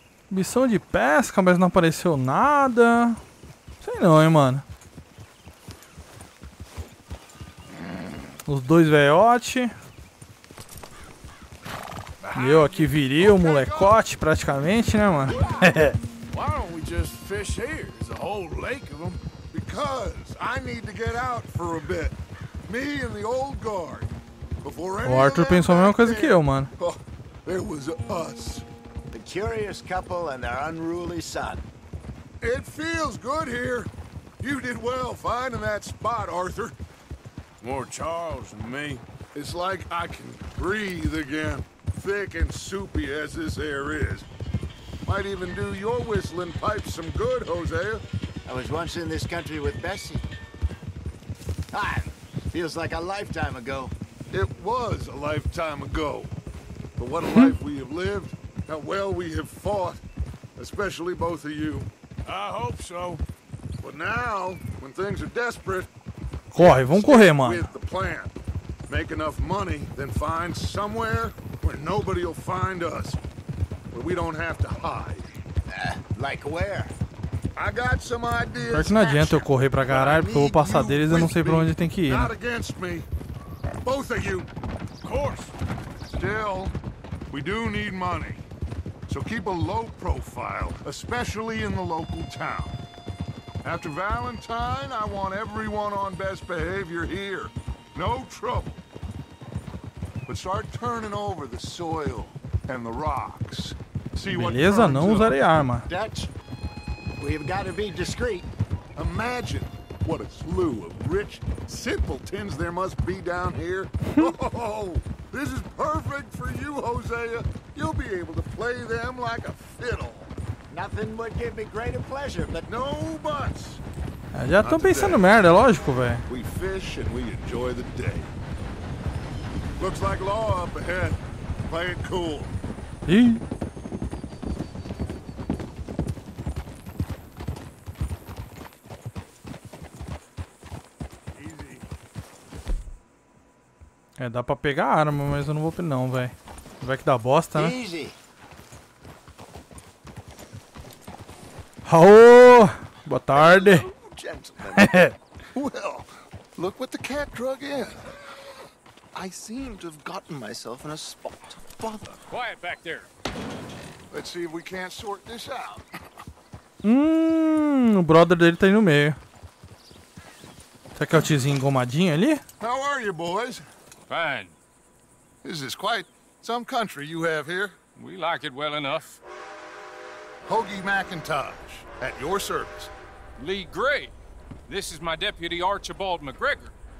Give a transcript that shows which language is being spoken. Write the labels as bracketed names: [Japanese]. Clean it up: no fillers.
[Portuguese] Missão de pesca, mas não apareceu nada. Sei não, hein, mano. Os dois veiote. Eu aqui viril, molecote, praticamente, né, mano? [English] Why don't we just fish here? There's a whole lake of them. Because I need to get out for a bit. Me and the old guard. Before anything. [Portuguese] O Arthur pensou a mesma coisa que eu, mano. [English] It was us. The curious couple and their unruly son. It feels good here. You did well finding that spot, Arthur. More Charles than me. It's like I can breathe again, thick and soupy as this air is. Might even do your whistling pipes some good, Hosea. I was once in this country with Bessie. Ah, feels like a lifetime ago. It was a lifetime ago. But what a life we have lived. How well we have fought, especially both of you. I hope so. But now, when things are desperate, [Portuguese] corre, vamos correr, mano. [English] With the plan. Make enough money, then find somewhere where nobody will find us. Where we don't have to hide. Like where? I got some ideas. [Portuguese] Pior que não adianta eu correr pra caralho, porque eu vou passar deles e eu não sei pra onde tem que ir. [English] Not against me. Both of you. Of course. Still, we do need money. So keep a low profile, especially in the local town. After Valentine, I want everyone on best behavior here. No trouble. But start turning over the soil and the rocks. See what turns up. [Portuguese] Beleza, não usarei arma. [English] Dutch, we've got to be discreet. Imagine what a slew of rich simpletons there must be down here. Oh, this is perfect for you, Hosea. You'll be able to play them like a fiddle. Nothing would give me greater pleasure, but no buts. [Portuguese] Eu já tô pensando merda, lógico, velho. [English] We fish and we enjoy the day. Looks like law up ahead. Play it cool. Ih. Easy. [Portuguese] É, dá pra pegar arma, mas eu não vou pegar não, velho. Vai que dá bosta, né? [English] Easy. [Portuguese] Raô! Boa tarde! [English] Gentlemen. Well, look what the cat drug in. I seem to have gotten myself in a spot to bother. Quiet back there. Let's see if we can't sort this out. [Portuguese] O brother dele tá aí no meio. Será que é o tiozinho engomadinho ali? [English] How are you, boys? Fine. This is quite some country you have here. We like it well enough. Hoagie McIntosh, at your service. Lee Gray, this is my deputy Archibald McGregor.